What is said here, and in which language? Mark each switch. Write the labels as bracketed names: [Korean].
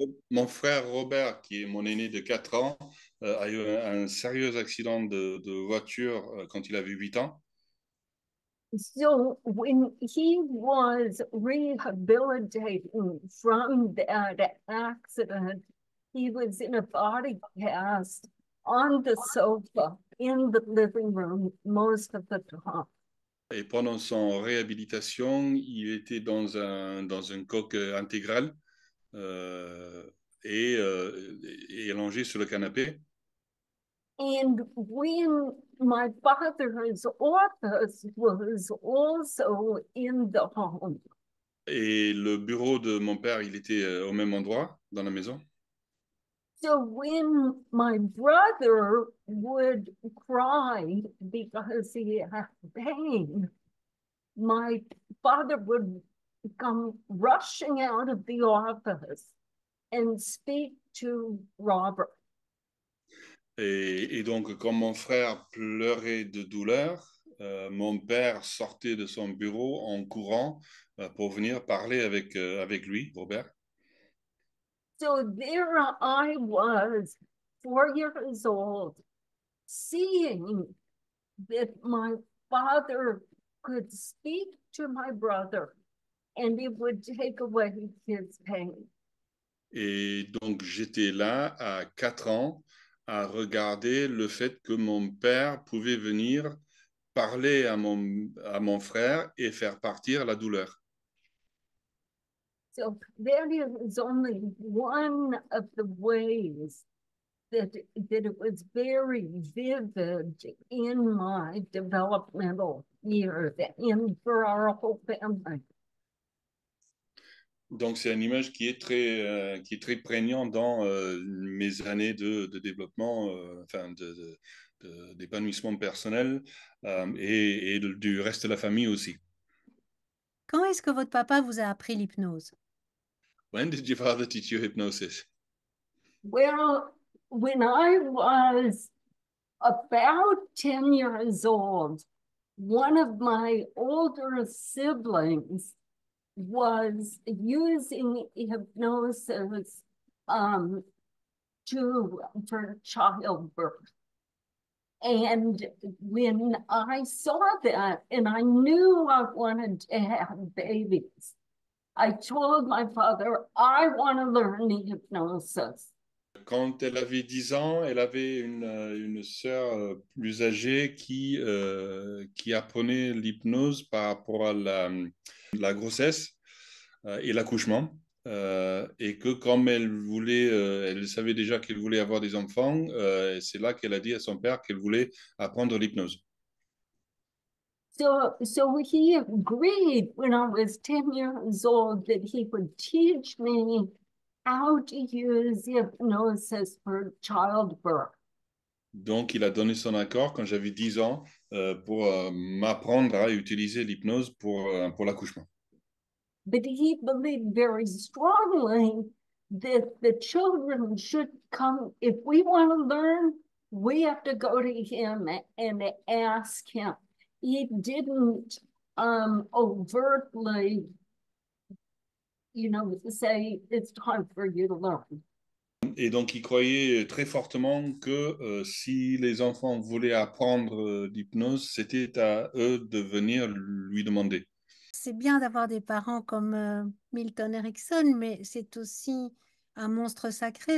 [French] Mon frère Robert, qui est mon aîné de 4 ans, a eu un sérieux accident de voiture quand il avait 8 ans. [English] So when he was rehabilitating from that accident, he was in a body cast on the sofa in the living room most of the time. [French] Et pendant son réhabilitation, il était dans un coq intégral et allongé sur le canapé. [English] And when my father's office was also in the home. [French] Et le bureau de mon père, il était au même endroit dans la maison. [English] So when my brother would cry because he had pain, my father would come rushing out of the office and speak to Robert. [French] Et donc, quand mon frère pleurait de douleur, mon père sortait de son bureau en courant pour venir parler avec lui, Robert. [English] So there I was, 4 years old, seeing that my father could speak to my brother and it would take away his pain. [French] Et donc, j'étais là à 4 ans, à regarder le fait que mon père pouvait venir parler à mon frère et faire partir la douleur. [English] So that is only one of the ways that it was very vivid in my developmental years and for our whole family. [French] Donc c'est une image qui est très prégnante dans mes années de développement, enfin de d'épanouissement personnel et du reste de la famille aussi. Quand est-ce que votre papa vous a appris l'hypnose? [English] When did your father teach you hypnosis? Well, when I was about 10 years old, one of my older siblings was using hypnosis for childbirth. And when I saw that and I knew I wanted to have babies, I told my father, I want to learn hypnosis. [French] Quand elle avait 10 ans, elle avait une sœur plus âgée qui apprenait l'hypnose par rapport à la grossesse et l'accouchement, et que comme elle voulait, elle savait déjà qu'elle voulait avoir des enfants, c'est là qu'elle a dit à son père qu'elle voulait apprendre l'hypnose. [English] So he agreed when I was 10 years old that he would teach me how to use hypnosis for childbirth. [French] Donc il a donné son accord quand j'avais 10 ans pour m'apprendre à utiliser l'hypnose pour l'accouchement. [English] But he believed very strongly that the children should come. If we want to learn, we have to go to him and ask him. He didn't overtly, say it's time for you to learn. [French] Et donc il croyait très fortement que si les enfants voulaient apprendre l'hypnose, c'était à eux de venir lui demander. C'est bien d'avoir des parents comme Milton Erickson, mais c'est aussi un monstre sacré.